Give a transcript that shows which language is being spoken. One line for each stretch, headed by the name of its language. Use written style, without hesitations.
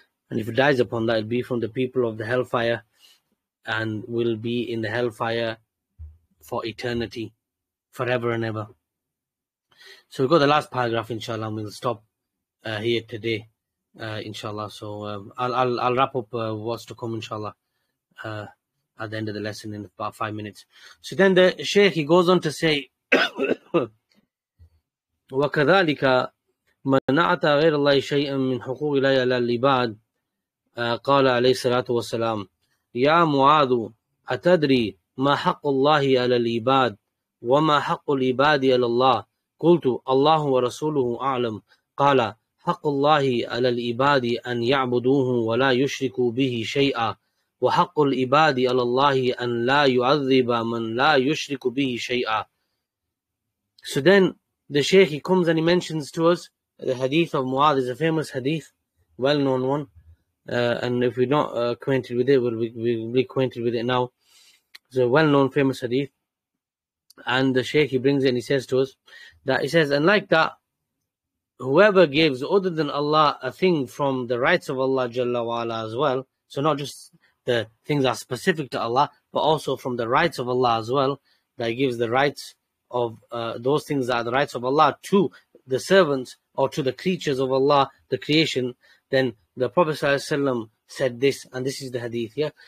English: And if he dies upon that, it'll be from the people of the hellfire and will be in the hellfire for eternity, forever and ever. So we've got the last paragraph, inshallah, and we'll stop here today. Inshallah. So I'll wrap up what's to come, inshallah, at the end of the lesson in about 5 minutes. So then the Shaykh, he goes on to say,
Arabic: وَكَذَلِكَ مَنَعَتَ غَيْرَ اللَّهِ شَيْئًا مِنْ حُقُوقِ لَيْا لَا الْعِبَادِ قَالَ عَلَيْهِ سَلَاةُ وَسَلَامُ يَا مُعَاذُ أَتَدْرِي مَا حَقُّ اللَّهِ عَلَى الْعِبَادِ وَمَا حَقُّ الْعِبَادِ عَلَى اللَّهِ قُلْتُ اللَّهُ وَرَسُولُهُ أَعْلَمُ قَالَ حق الله على العباد أن يعبدوه ولا يشركوا به شيئا وحق العباد على الله أن لا يعذب من لا يشرك به شيئا.
English: So then the Shaykh, he comes and he mentions to us the hadith of Mu'adh. Is a famous hadith, well known one, And if we're not acquainted with it, we'll be acquainted with it now. It's a well-known, famous hadith. And the Shaykh, he brings it and he says to us, that he says, and like that, whoever gives other than Allah a thing from the rights of Allah Jalla wa'ala as well, so not just the things that are specific to Allah, but also from the rights of Allah as well, that he gives the rights of those things that are the rights of Allah to the servants or to the creatures of Allah, the creation, then the Prophet Sallallahu Alaihi Wasallam said this, and this is the hadith, yeah?